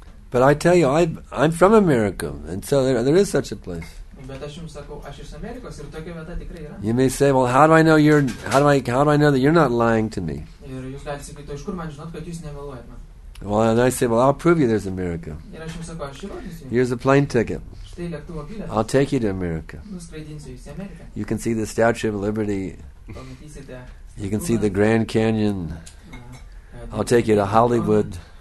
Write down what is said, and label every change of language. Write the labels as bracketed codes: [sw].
[en] But I tell you, I'm from America, and so there is such a place. [lt] Bet aš jums sakau, aš iš Amerikos ir tokia vieta tikrai yra. [en] You may say, well, how do I know that you're not lying to me? [lt] Ir jūs galite sakyti, iš kur man žinot, kad jūs nemeluojate man? [en] Well, and I say, well, I'll prove you there's America. Here's a plane ticket. I'll take you to America. You can see the Statue of Liberty. You can see the Grand Canyon. I'll take you to Hollywood.